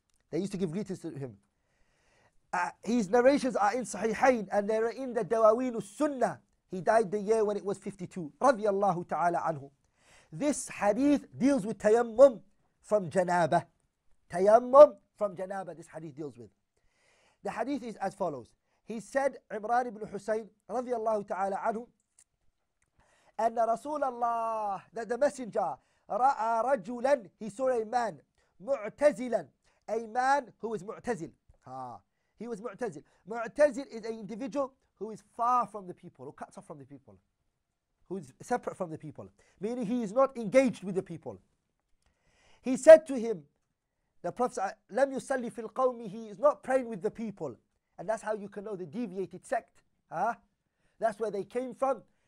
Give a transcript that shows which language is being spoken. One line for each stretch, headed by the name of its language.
English: They used to give greetings to him. His narrations are in Sahihain and they are in the Dawawin al-Sunnah. He died the year when it was 52.
Arabic: رضي الله تعالى عنه.
English: This hadith deals with tayammum from janaba. Tayammum from janaba, this hadith deals with. The hadith is as follows. He said, عمران بن حسين رضي الله تعالى عنه, أن رسول الله, that the messenger, رأى رجلا, he saw a man, معتزلا, a man who is معتزل. He was معتزل. معتزل is an individual who is far from the people, who cuts off from the people, who is separate from the people, meaning he is not engaged with the people. He said to him, the Prophet, لم يصلي في القوم, he is not praying with the people. And that's how you can know the deviated sect. Huh? That's where they came from.